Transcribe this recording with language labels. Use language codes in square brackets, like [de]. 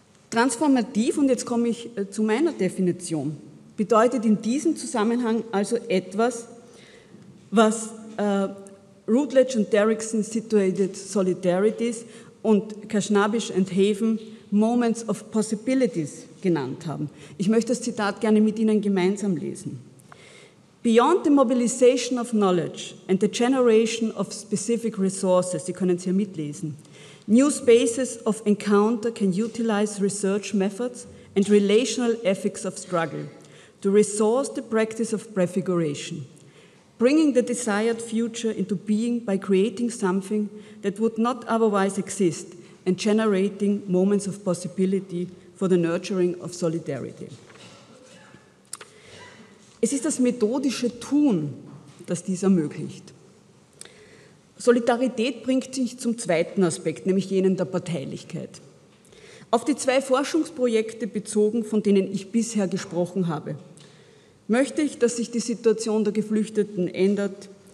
[de] Transformativ, und jetzt komme ich zu meiner Definition, bedeutet in diesem Zusammenhang also etwas, was Routledge und Derrickson Situated Solidarities und Kashnabish and Haven Moments of Possibilities genannt haben. Ich möchte das Zitat gerne mit Ihnen gemeinsam lesen. [en] Beyond the mobilization of knowledge and the generation of specific resources, [de] Sie können es hier mitlesen, [en] new spaces of encounter can utilize research methods and relational ethics of struggle to resource the practice of prefiguration, bringing the desired future into being by creating something that would not otherwise exist and generating moments of possibility for the nurturing of solidarity. [de] Es ist das methodische Tun, das dies ermöglicht. Solidarität bringt sich zum zweiten Aspekt, nämlich jenen der Parteilichkeit. Auf die zwei Forschungsprojekte bezogen, von denen ich bisher gesprochen habe, möchte ich, dass sich die Situation der Geflüchteten ändert?